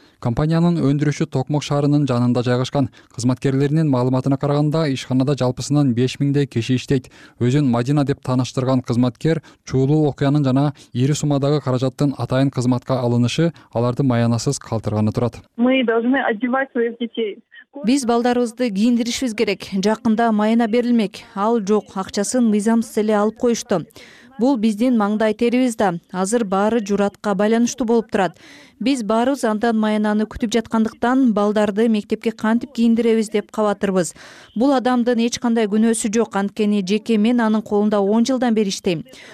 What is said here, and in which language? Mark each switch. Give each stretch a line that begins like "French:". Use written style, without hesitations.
Kyrgyz: Компаниянын өндүрүшү Токмок шаарынын жанында жайгашкан. Кызматкерлеринин маалыматына караганда, ишканада жалпысынан 5000 киши иштейт. Өзүн Мадина деп тааныштырган кызматкер чуулуу окуянын жана ири суммадагы каражаттын атайын кызматка алынышы аларды маянасыз калтырганы турат.
Russian: Мы должны одевать своих детей.
Kyrgyz: Биз балдарыбызды кийиндиришибиз керек. Жакында маяна берилмек. Ал жок, акчасын мыйзамсыз эле алып коюшту. Бул биздин маңдай терибиз да. Азыр баары Журатка байланыштуу болуп турат. Биз баарыбыз андан маянаны күтүп жаткандыктан балдарды мектепке кантип кийиндиребиз деп кабатырбыз. Бул адамдын эч кандай күнөөсү жок, анткени жеке мен анын колунда 10 жылдан бери иштейм.